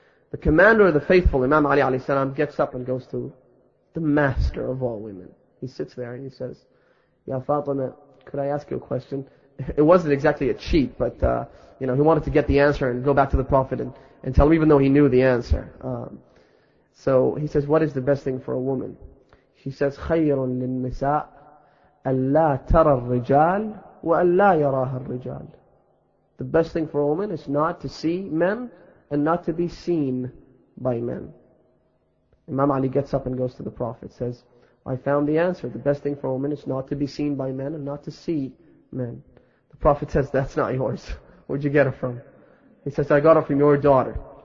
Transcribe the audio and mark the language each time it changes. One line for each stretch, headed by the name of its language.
English: The commander of the faithful, Imam Ali alayhi salam, gets up and goes to the master of all women. He sits there and he says, "Ya Fatima, could I ask you a question?" It wasn't exactly a cheat, but you know, he wanted to get the answer and go back to the Prophet and tell him, even though he knew the answer. So he says, "What is the best thing for a woman?" She says,
Arabic: "خَيْرٌ لِلْنِسَاءِ أَلَّا تَرَى الرِّجَالِ وَأَلَّا يَرَاهَا الرِّجَالِ."
English: The best thing for a woman is not to see men and not to be seen by men. Imam Ali gets up and goes to the Prophet, says, "I found the answer. The best thing for a woman is not to be seen by men and not to see men." The Prophet says, "That's not yours. Where'd you get it from?" He says, "I got it from your daughter."